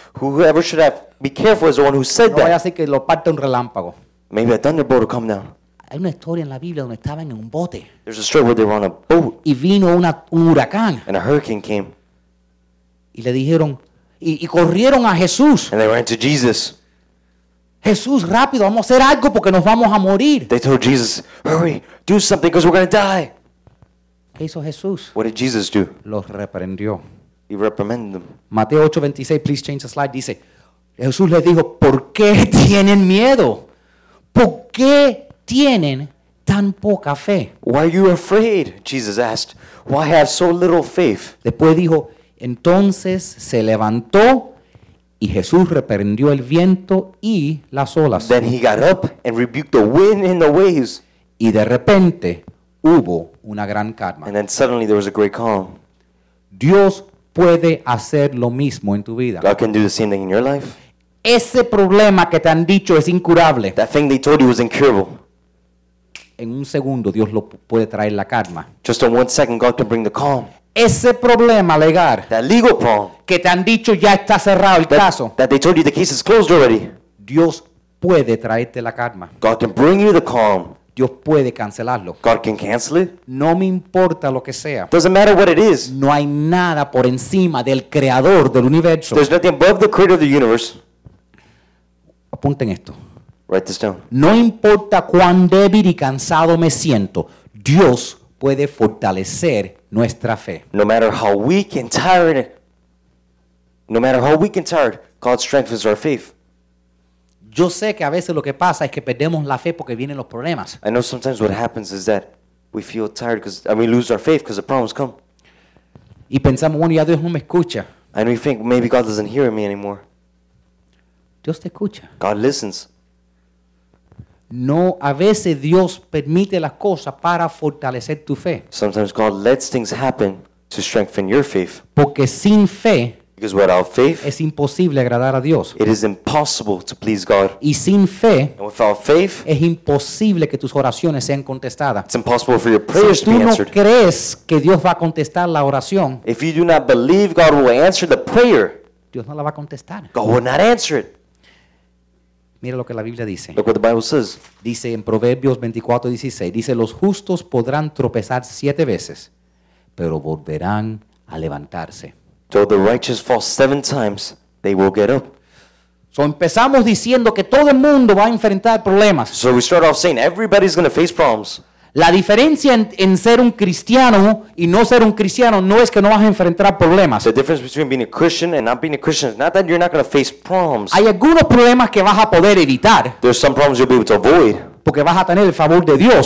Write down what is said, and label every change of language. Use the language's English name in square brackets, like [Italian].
[English] Whoever should have be careful is the one who said no, that. [Spanish] No vaya a ser que lo parte un relámpago. [English] Maybe a thunderbolt will come down. [Spanish] Hay una historia en la Biblia donde estaban en un bote. [English] There's a story where they were on a boat. [Spanish] Y vino un huracán. [English] And a hurricane came. [Spanish] Y le dijeron, Y corrieron a Jesús. [English] And they ran to Jesus. [Spanish] Jesús, rápido, vamos a hacer algo porque nos vamos a morir. [English] They told Jesus, hurry, do something because we're going to die. [Spanish] ¿Qué hizo Jesús? [English] What did Jesus do? [Spanish] Los reprendió. [English] He reprimanded them. [Spanish] Mateo 8:26, [English] please change the slide, [Spanish] dice, Jesús les dijo, ¿por qué tienen miedo? ¿Por qué tienen tan poca fe? [English] Why are you afraid? Jesus asked. Why have so little faith? [Spanish] Después dijo, entonces se levantó y Jesús reprendió el viento y las olas. [English] Then he got up and rebuked the wind and the waves. [Spanish] Y de repente hubo una gran calma. [English] And then suddenly there was a great calm. [Spanish] Dios puede hacer lo mismo en tu vida. [English] God can do the same thing in your life. [Spanish] Ese problema que te han dicho es incurable. [English] That thing they told you was incurable. [Spanish] En un segundo Dios lo puede traer la calma. [English] Just in one second God can bring the calm. [Spanish] Ese problema legal, [English] that legal problem, [Spanish] que te han dicho ya está cerrado el caso, [English] that they told you the case is closed already, [Spanish] Dios puede traerte la calma. [English] God can bring you the calm. [Spanish] Dios puede cancelarlo. [English] God can cancel it. [Spanish] No me importa lo que sea. [English] Doesn't matter what it is. [Spanish] No hay nada por encima del creador del universo. [English] There's nothing above the creator of the universe. [Spanish] Apunten esto. [English] Write this down. [Spanish] No importa cuán débil y cansado me siento, Dios puede fortalecer nuestra fe. [English] No matter how weak and tired, no matter how weak and tired, God strengthens our faith. [Spanish] Yo sé que a veces lo que pasa es que perdemos la fe porque vienen los problemas. [English] I know sometimes what happens is that we feel tired because we lose our faith because the problems come. [Spanish] Y pensamos, bueno, ya Dios no me escucha. [English] And we think maybe God doesn't hear me anymore. [Spanish] Dios te escucha. [English] God listens. [Spanish] No, a veces Dios permite las cosas para fortalecer tu fe. [English] Sometimes God lets things happen to strengthen your faith. [Spanish] Porque sin fe, [English] because without faith, [Spanish] es imposible agradar a Dios. [English] It is impossible to please God. [Spanish] Y sin fe, [English] and without faith, [Spanish] es imposible que tus oraciones sean contestadas. [English] It's impossible for your prayers [Spanish] si tú [English] to be [Spanish] no [English] answered. [Spanish] Crees que Dios va a contestar la oración, [English] if you do not believe God will answer the prayer, [Spanish] Dios no la va a contestar. [English] God will not answer it. [Spanish] Mira lo que la Biblia dice. [English] Look what the Bible says. [Spanish] Dice en Proverbios 24:16. Dice, los justos podrán tropezar 7 veces, pero volverán a levantarse. [English] Though the righteous fall 7 times, they will get up. [Spanish] So empezamos diciendo que todo el mundo va a enfrentar problemas. [English] So we start off saying everybody's going to face problems. [Spanish] La diferencia en ser un cristiano y no ser un cristiano no es que no vas a enfrentar problemas. [English] The difference between being a Christian and not being a Christian is not that you're not going to face problems. [Spanish] Hay algunos problemas que vas a poder evitar. [English] There's some problems you'll be able to avoid. [Spanish] Porque vas a tener el favor de Dios.